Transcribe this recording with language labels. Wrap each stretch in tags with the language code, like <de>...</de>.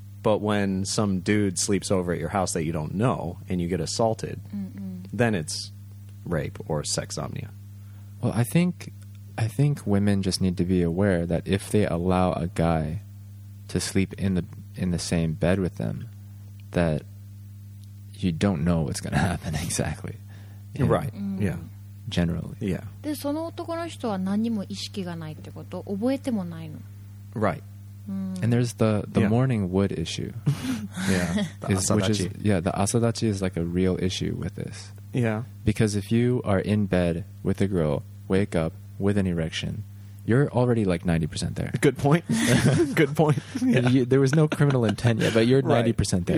<en>But when some dude sleeps over at your house that you don't know and you get assaulted, then it's rape or sexsomnia. Well, I think women just need to be aware that if they allow a guy to sleep in the same bed with them, that you don't know what's going to happen exactly. Right. Yeah. Generally. Yeah.</en> <ja>で、その男の人は何にも意識がないってこと、覚えてもないの。</ja> <en>Right. And there's the morning wood issue. Yeah. The asadachi is like a real issue with this. Yeah. Because if you are in bed with a girl, wake up with an erection, you're already like 90% there. Good point. Good point. Yeah. And there was no criminal intent yet, but you're 90% there.</en>